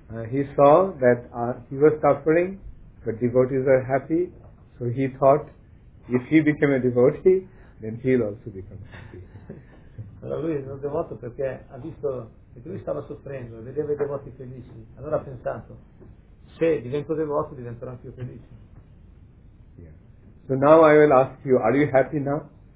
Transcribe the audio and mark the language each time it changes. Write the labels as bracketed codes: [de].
[en] He saw that he was suffering, but devotees are happy, so he thought, if he became a devotee, then he'll also become happy. [it] Allora lui è un devoto perché ha visto che lui stava soffrendo, vedeva i devoti felici, allora ha pensato, se divento devoto diventerò anche io felice. [en] So now I will ask you, are you happy now?